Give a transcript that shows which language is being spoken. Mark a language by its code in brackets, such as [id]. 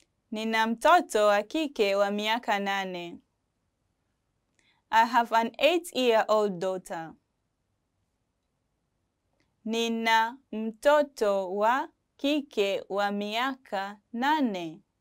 [sw] Nina mtoto wa kike wa miaka nane. [en] I have an 8-year-old daughter. [sw] Nina mtoto wa kike wa miaka nane.